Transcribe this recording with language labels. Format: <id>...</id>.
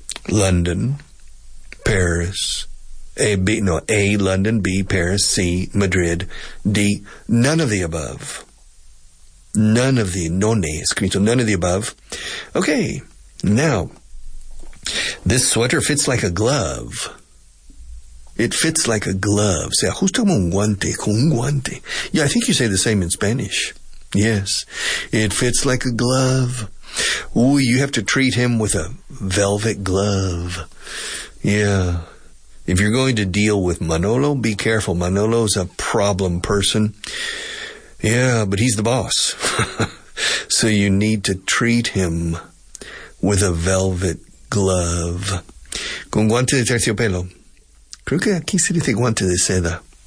<en>London, Paris, A, London, B, Paris, C, Madrid, D, none of the above. None of the above. Okay, now, this sweater fits like a glove. It fits like a glove.</en> <es>Se ajusta como un guante, como un guante.</es> <en>Yeah, I think you say the same in Spanish. Yes, it fits like a glove. Ooh, you have to treat him with a velvet glove. Yeah. If you're going to deal with Manolo, be careful. Manolo's a problem person. Yeah, but he's the boss. So you need to treat him with a velvet glove.</en> <es>Con guante de terciopelo. Creo que aquí se dice guante de seda.</es>